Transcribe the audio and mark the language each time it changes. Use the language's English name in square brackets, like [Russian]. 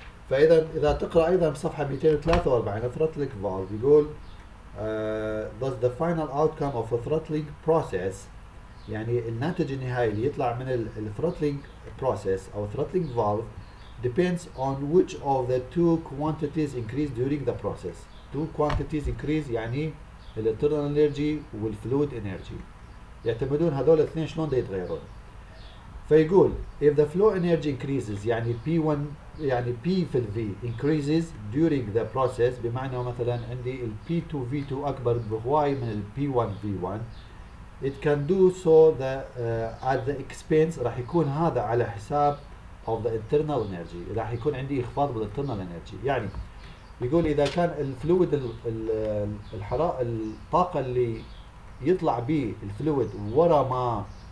[Arabic] فاذا اذا تقرا ايضا بصفحه 243 ثروتلينج فالف يقول [English] thus the final outcome of a throttling process، [Arabic] يعني الناتج النهائي اللي يطلع من الثروتلينج بروسيس او ثروتلينج فالف [English] depends on which of the two quantities increase during the process. Two quantities increase [Arabic] يعني [English] الانترنال انرجي والفلويد انرجي. [Arabic] يعتمدون هذول الاثنين شلون يتغيرون. فيقول [English] if the flow energy increases [Arabic] يعني P1 يعني P في ال V increases during the process بمعنى مثلا عندي ال P2 V2 أكبر بهواي من ال P1 V1 [English] it can do so the, at the expense [Arabic] راح يكون هذا على حساب [English] of the internal energy [Arabic] راح يكون عندي إخفاض بال internal energy يعني يقول إذا كان الفلويد الحرارة الطاقة اللي يطلع به الفلويد ورا ما